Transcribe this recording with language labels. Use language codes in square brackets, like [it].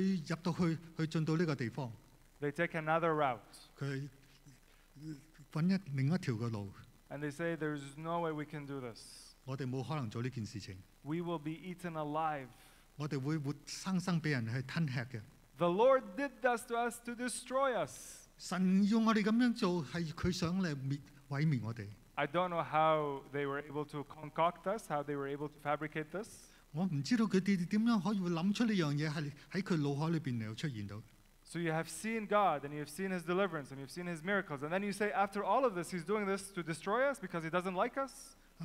[zh] 他們沒有用一個很正確的態度，他說，這個真是好的地方，我們去進到這個地方。 [en] They take another route. [zh] 他找另一條路。 [en] And they say, there's no way we can do this. [zh] 我們沒有可能做這件事情。 [en] We will be eaten alive. [zh] 我們會活生生被人去吞吃的。 [en] The Lord did this to us to destroy us. [zh] 神要我們這樣做，是祂想來毀滅我們。 [en] I don't know how they were able to concoct this, how they were able to fabricate this. I don't know how they were able to concoct this, how they were able to fabricate this. So you have seen God, and you have seen his deliverance, and you've seen his miracles. And then you say, after all of this, he's doing this to destroy us because he doesn't like us?